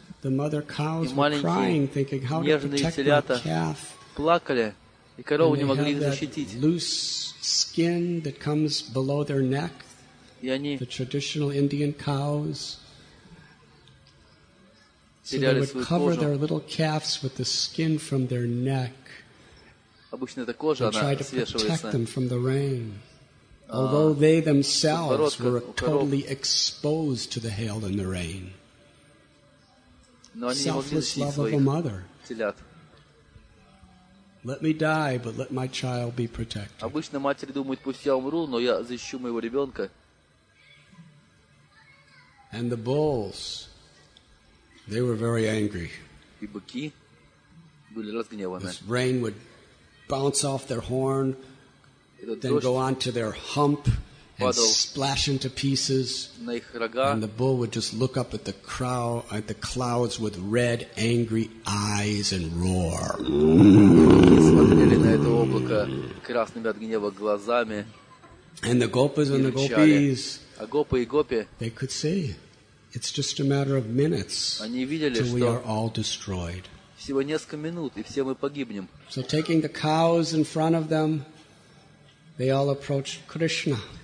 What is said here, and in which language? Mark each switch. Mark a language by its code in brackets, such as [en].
[en] The mother cows were crying, thinking, how to protect my calf. [ru] Плакали, и коровы не могли их защитить. [en] Loose skin that comes below their neck. The traditional Indian cows. So they would cover their little calves with the skin from their neck. [ru] Обычно это кожа, она свешивается. [en] To protect them from the rain. Although they themselves were totally exposed to the hail and the rain. Selfless love of a mother. Let me die, but let my child be protected. [ru] Обычно матери думают, пусть я умру, но я защищу моего ребенка. [en] And the bulls, they were very angry. [ru] И быки были разгневаны. [en] This rain would bounce off their horn, then go on to their hump and splash into pieces. [ru] На их рога. [en] And the bull would just look up at the crow, at the clouds with red, angry eyes and roar. [ru] Смотрели на это облако красными от гнева глазами. [en] And the gopas and the gopis. [ru] А гопы и гопи, [en] they could see. It's just a matter of minutes until we are all destroyed. [ru] Всего несколько минут, и все мы погибнем. [en] So taking the cows in front of them, they all approached Krishna.